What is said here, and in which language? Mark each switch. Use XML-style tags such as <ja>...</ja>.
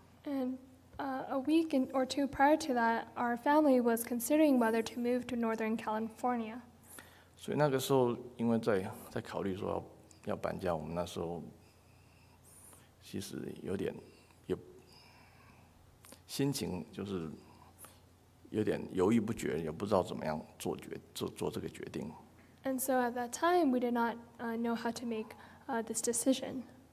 <en>And a week or two prior to that, our family was considering whether to move to Northern California.</en> <zh>所以那个时候，因为在考虑说要搬家，我们那时候其实有点有心情，就是有点犹豫不决，也不知道怎么样做这个决定。</zh> <en>And so at that time, we did not know how to make this decision.</en>